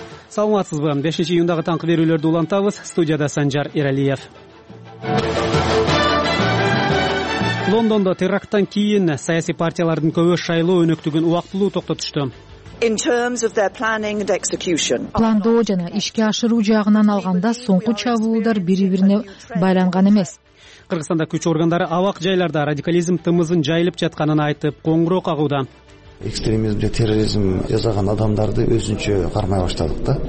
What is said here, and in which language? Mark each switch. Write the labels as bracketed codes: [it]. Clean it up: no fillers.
[ky] Саламатсызбы? 5 июндагы таңкы берүүлөрдү улантабыз. Студияда Санжар Иралиев. Лондондо терактан кийин саясий партиялардын көбү шайлоо өнөктүгүн убактылуу токтотушту. [en] In terms of their planning and execution. [ky] Пландоо жана ишке ашыруу жагынан алганда соңку чабуулдар бири-бирине байланган эмес. Кыргызстанда күч органдары абак жайларда радикализм тымызын жайылып жатканын айтып, коңгуроо кагууда. Экстремизм же терроризм жасаган адамдарды өзүнчө кармай баштадык да.